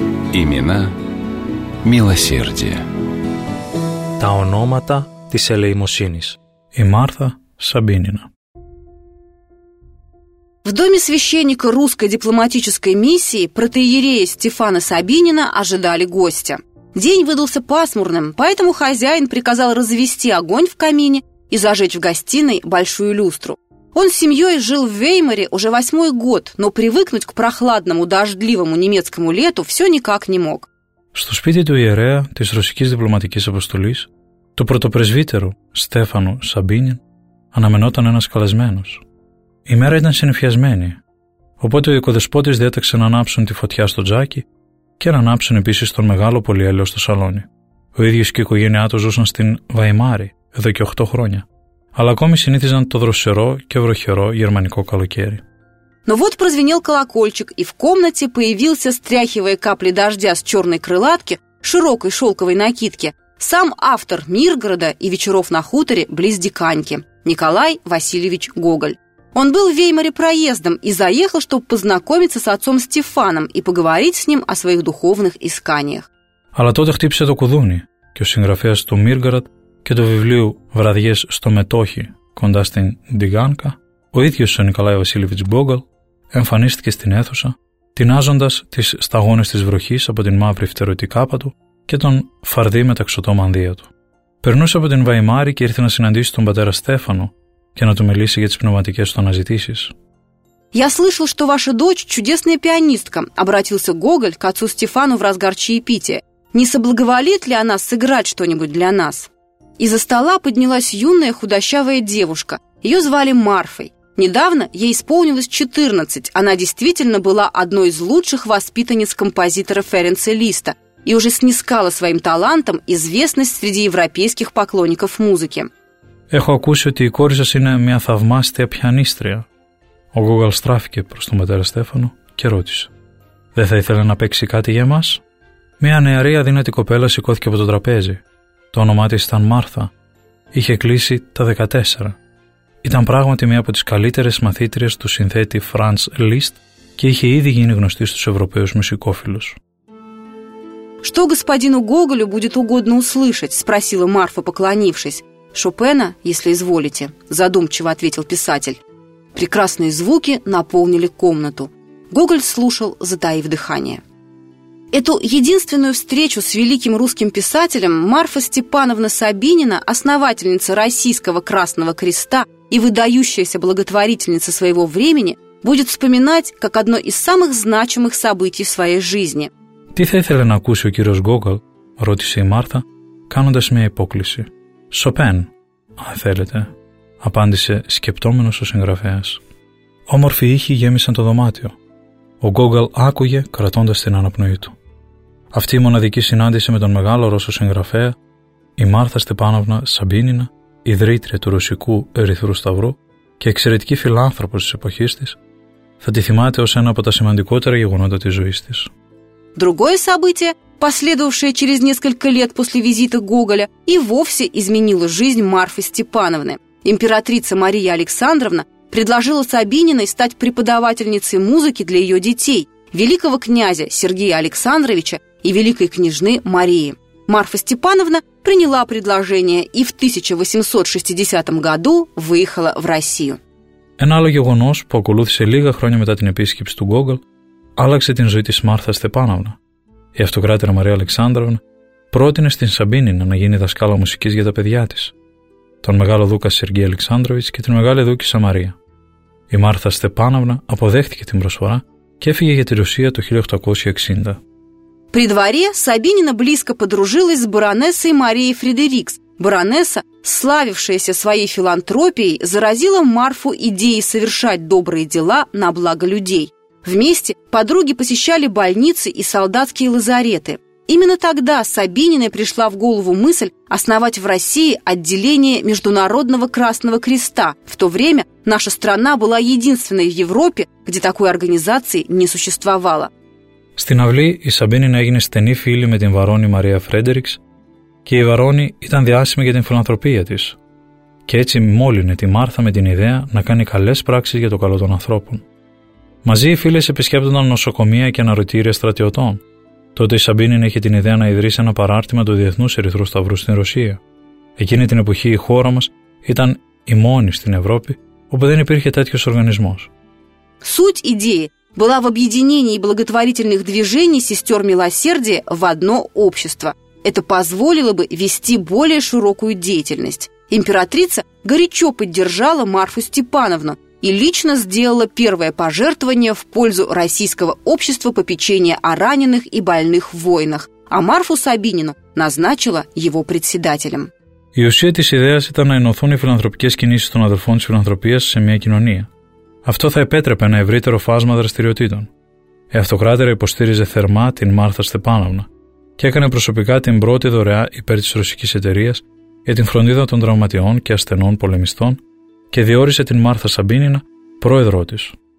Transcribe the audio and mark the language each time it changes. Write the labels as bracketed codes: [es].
[ru] Ημινά μιλοσέρδια. [el] Τα ονόματα της ελεημοσύνης. Η Μάρθα Σαμπίνινα. [ru] В доме священника русской дипломатической миссии протоиерея Стефана Сабинина ожидали гостя. День выдался пасмурным, поэтому хозяин приказал развести огонь в камине и зажечь в гостиной большую люстру. Он с семьей жил в Веймаре уже 8-й год, но привыкнуть к прохладному, дождливому немецкому лету все никак не мог. [el] Στο σπίτι του ιερέα της ρωσικής διπλωματικής αποστολής, του πρωτοπρεσβύτερου Στέφανου Σαμπίνιν, αναμενόταν ένας καλεσμένος. Η μέρα ήταν συνεφιασμένη, οπότε ο οικοδεσπότης διέταξε να ανάψουν τη φωτιά στο τζάκι και να ανάψουν επίσης τον μεγάλο πολυέλαιο στο σαλόνι. Ο ίδιος και η οικογένειά του ζούσαν στην Βαϊμάρη εδώ και 8 χρόνια, αλλά ακόμη συνήθιζαν το δροσερό και βροχερό γερμανικό καλοκαίρι. [ru] Но вот прозвенел колокольчик, и в комнате появился, стряхивая капли дождя с черной крылатки, широкой шелковой накидки, сам автор Миргорода и вечеров на хуторе близ Диканьки, Николай Васильевич Гоголь. Он был в Веймаре проездом и заехал, чтобы познакомиться с отцом Стефаном и поговорить с ним о своих духовных исканиях. [el] Αλλά тогда хтипся то кудуни, и у συγγραφέας του Миргород και του βιβλίου «Βραδιές στο Μετόχι» κοντά στην Ντιγάνκα, ο ίδιος ο Νικολάι Βασίλεβιτς Γκόγκολ εμφανίστηκε στην αίθουσα, τεινάζοντας τις σταγόνες της βροχής από την μαύρη φτερωτή κάπα του και τον φαρδί με τα ξωτό μανδύα του. Περνούσε από την Βαϊμάρη και ήρθε να συναντήσει τον πατέρα Στέφανο και να του μιλήσει για τις πνευματικές του αναζητήσεις. [ru] «Я слышал, что ваша дочь чудесная пианистка», обратился Гоголь к отцу Стефану в разгар чаепития. «Не соблаговолит ли она сыграть что-нибудь для нас?» Из-за стола поднялась юная худощавая девушка. Ее звали Марфой. Недавно ей исполнилось 14. Она действительно была одной из лучших воспитанниц композитора Ференца Листа. и уже снискала своим талантом известность среди европейских поклонников музыки. [el] Έχω ακούσει ότι η κόρη σας είναι μια θαυμάστια πιανίστρια. Ο Γκόγκαλ στράφηκε προς τον πατέρα Στέφανο και ρώτησε: Δεν θα ήθελε να παίξει κάτι για εμάς? Μια νεαρή αδύνατη κοπέλα σηκώθηκε από το τραπέζι. Το όνομά της ήταν Μάρθα. Είχε κλείσει τα 14. Ήταν πράγματι μια από τις καλύτερες μαθήτριες του συνθέτη Franz Liszt και είχε ήδη γίνει γνωστή στους Ευρωπαίους μουσικόφιλους. [ru] Что господину Гоголю будет угодно услышать? Спросила Марфа, поклонившись. Шопена, если изволите, задумчиво ответил писатель. Прекрасные звуки наполнили комнату. Гоголь слушал, затаив дыхание. Эту единственную встречу с великим русским писателем Марфа Степановна Сабинина, основательница Российского Красного Креста и выдающаяся благотворительница своего времени, будет вспоминать как одно из самых значимых событий в своей жизни. [el] «Τι θα ήθελε να ακούσει ο κύριος Γκόγκαλ?» ρώτησε η Μάρθα, κάνοντας μια υπόκληση. «Σοπέν, αν θέλετε», απάντησε σκεπτόμενος ο συγγραφέας. Όμορφοι ήχοι γέμισαν το δωμάτιο. Ο Γκόγκαλ άκουγε κρατώντας την αναπνοή του. Αυτή η μοναδική συνάντηση με τον μεγάλο Ρώσο συγγραφέα, η Μάρθα Στεπάνοβνα Σαμπίνινα, ιδρύτρια του Ρωσικού Ερυθρού Σταυρού και εξαιρετική φιλάνθρωπος της εποχής της, θα τη θυμάται ως ένα από τα σημαντικότερα γεγονότα της ζωής της. [ru] Другое событие, последовавшее через несколько лет после визита Гоголя, и вовсе изменило жизнь Марфы Степановны. Императрица Мария Александровна предложила Сабининой стать преподавательницей музыки для ее детей, великого князя Сергея Александровича и великой княжны Марии. Марфа Степановна приняла предложение и в 1860 году выехала в Россию. [el] Ένα γεγονός που ακολούθησε λίγα χρόνια μετά την επίσκεψη του Γκόγκαλ άλλαξε την ζωή της Μάρθα Στεπάνοβνα. Η αυτοκράτηρα Μαρία Αλεξάνδρωνα πρότεινε στην Σαμπίνινα να γίνει δασκάλα μουσικής για τα παιδιά της, τον μεγάλο δούκα Σεργέη Αλεξάνδροβιτς και την μεγάλη δούκισσα Μαρία. Η Μάρθα Στεπάνοβνα αποδέχτηκε την προσφορά και έφυγε για τη Ρωσία το 1860. [ru] При дворе Сабинина близко подружилась с баронессой Марией Фредерикс. Баронесса, славившаяся своей филантропией, заразила Марфу идеей совершать добрые дела на благо людей. Вместе подруги посещали больницы и солдатские лазареты. Именно тогда Сабининой пришла в голову мысль основать в России отделение Международного Красного Креста. В то время наша страна была единственной в Европе, где такой организации не существовало. [el] Στην αυλή η Σαμπίνινα έγινε στενή φίλη με την Βαρόνη Μαρία Φρέντερικς και η Βαρόνη ήταν διάσημη για την φιλανθρωπία της και έτσι μόλυνε τη Μάρθα με την ιδέα να κάνει καλές πράξεις για το καλό των ανθρώπων. Μαζί οι φίλες επισκέπτονταν νοσοκομεία και αναρωτήρια στρατιωτών. Τότε η Σαμπίνινα είχε την ιδέα να ιδρύσει ένα παράρτημα του Διεθνούς Ερυθρού Σταυρού στην Ρωσία. Εκείνη την εποχή η χώρα μας ήταν η μόνη στην Ευρώπη όπου δεν υπήρχε τέτοιος οργανισμός. [ru] Суть идеи была в объединении благотворительных движений сестер милосердия в одно общество. Это позволило бы вести более широкую деятельность. Императрица горячо поддержала Марфу Степановну и лично сделала первое пожертвование в пользу российского общества попечения о раненых и больных войнах, а Марфу Сабинину назначила его председателем. [el] Η ουσία της ιδέας ήταν να ενωθούν οι φιλανθρωπικές κινήσεις των αδελφών της φιλανθρωπίας σε μια κοινωνία. Αυτό θα επέτρεπε ένα ευρύτερο φάσμα δραστηριοτήτων. Η αυτοκράτηρα υποστήριζε θερμά την Μάρθα Στεπάνοβνα και έκανε προσωπικά την πρώτη δωρεά υπέρ της ρωσικής εταιρείας για την φροντίδα των τραυματιών και ασθενών πολεμιστών και διόρισε την Μάρθα Σαμπίνινα πρόεδρό της.